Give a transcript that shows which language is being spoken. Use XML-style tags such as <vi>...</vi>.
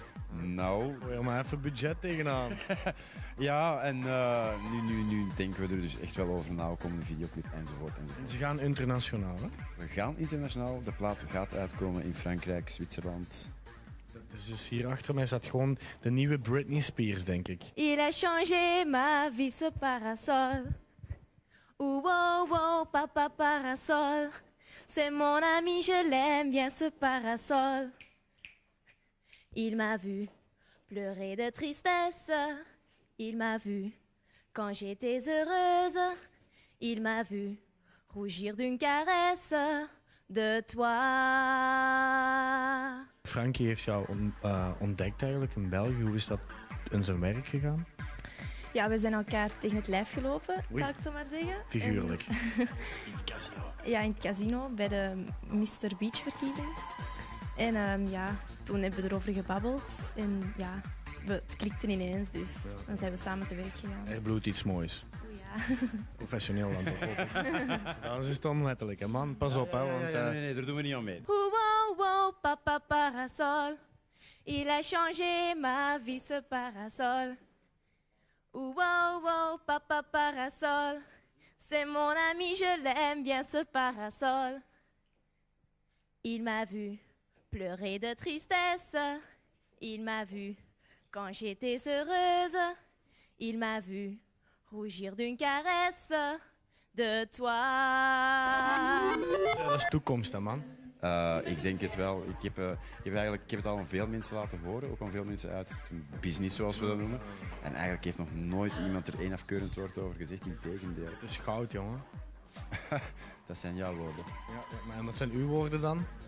<nl>Nou. Wil je maar even budget tegenaan. Ja, en nu denken we er dus echt wel over na, we komen een videoclip enzovoort. Ze gaan internationaal, hè? We gaan internationaal. De plaat gaat uitkomen in Frankrijk, Zwitserland. Dus hier achter mij staat gewoon de nieuwe Britney Spears, denk ik.</nl> <fr>Il a changé ma vie ce parasol. Ooh, wow, wow, papa parasol. C'est mon ami, je l'aime bien ce parasol. Il m'a vu pleurer de tristesse. Il m'a vu quand j'étais heureuse. Il m'a vu rougir d'une caresse de toi.</fr> <nl>Franky heeft jou ontdekt eigenlijk in België. Hoe is dat in zijn werk gegaan? Ja, we zijn elkaar tegen het lijf gelopen, zou ik zo maar zeggen. Figuurlijk. In het casino. Ja, in het casino, bij de Mr. Beach-verkiezing. En toen hebben we erover gebabbeld. En ja, het klikte ineens, dus dan zijn we samen te werk gegaan. Er bloedt iets moois. Professioneel dan toch ook. Dat is het onletterlijk, hè, man. Pas op, hè. Want, nee, daar doen we niet aan mee.</nl> <fr>Wow, wow, papa parasol. Il a changé ma vie, ce parasol. Wow, wow, papa parasol. C'est mon ami, je l'aime bien, ce parasol. Il m'a vu pleurer de tristesse. Il m'a vu quand j'étais heureuse. Il m'a vu rougir d'une caresse de toi.</fr> <nl>Dat is toekomst, hè, man. Ik denk het wel. Ik heb het al aan veel mensen laten horen, ook aan veel mensen uit het business, zoals we dat noemen. En eigenlijk heeft nog nooit iemand er één afkeurend woord over gezegd, in tegendeel. Het is goud, jongen. Dat zijn jouw woorden. Ja, maar wat zijn uw woorden dan?</nl>